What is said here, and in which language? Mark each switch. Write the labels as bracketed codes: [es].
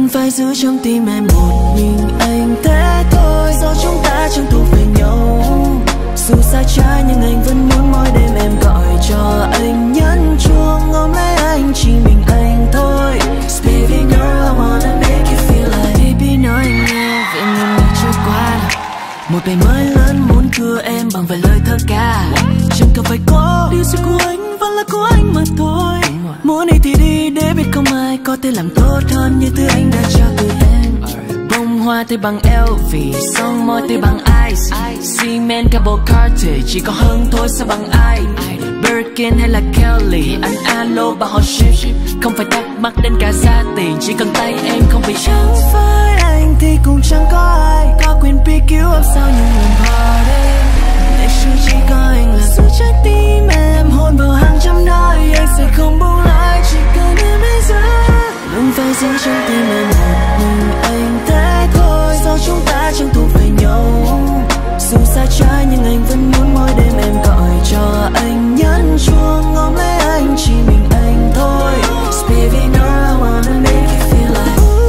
[vi] giữ trong tim em một mình anh thế thôi. Do chúng ta chẳng thuộc về nhau, dù xa trái nhưng anh vẫn muốn mỗi đêm em gọi cho anh nhấn chuông ôm lấy anh chỉ mình anh thôi. [en] Baby girl, I wanna make you feel like. [vi] Baby nói anh nghe về những ngày trôi qua. Một ngày mới lớn muốn cưa em bằng vài lời thơ ca. Chẳng cần phải có điều gì của anh vẫn là của anh mà thôi. Muốn đi thì đi để biết không ai có thể làm tốt hơn như thứ anh đã trao từ em. Bông hoa tươi bằng LV, son môi tươi bằng ice, [en] cement cable Carter [vi] chỉ có hơn thôi sao bằng ai. Birkin hay là Kelly, anh alo và họ ship. Không phải thắc mắc đến cả gia tiền, chỉ cần tay em không bị chẳng phải anh thì cũng chẳng có ai có quyền [en] pick you up [vi] sau những lần party. Ngày xưa chỉ có anh là giữ trái tim em hôn vào hàng trăm nơi. Anh sẽ không buông lại chỉ cần em bây giờ. Luôn phải giữ trong tim em một mình anh thế thôi. Do chúng ta chẳng thuộc về nhau, dù xa trái nhưng anh vẫn muốn mỗi đêm em gọi cho anh nhấn chuông ngóng lấy anh chỉ mình anh thôi. [en] Baby girl, I wanna make you feel like.